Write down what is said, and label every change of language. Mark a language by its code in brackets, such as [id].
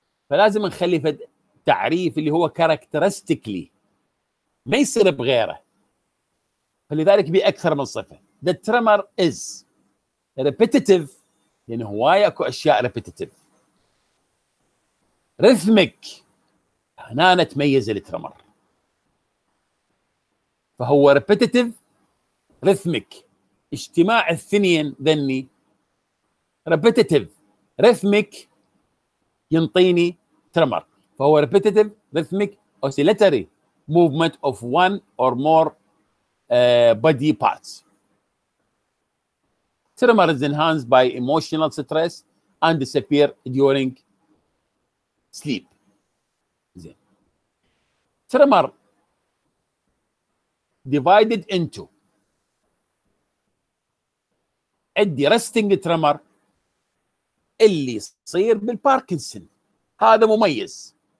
[ar] فلازم نخلي فد تعريف اللي هو characteristically ما يصير بغيره. فلذلك بأكثر من صفة. [en] The tremor is repetitive [ar] لأنه هواية أكو أشياء [en] repetitive. Rhythmic [ar] هنا نتميز التريمر فهو [en] repetitive rhythmic [ar] اجتماع الثنين ذني [en] repetitive rhythmic [ar] ينطيني تريمر فهو [en] repetitive rhythmic oscillatory movement of one or more body parts. Tremor is enhanced by emotional stress and disappear during sleep. [ar] زين. [en] Tremor divided into [ar] عندي resting tremor اللي يصير بالباركنسون هذا مميز.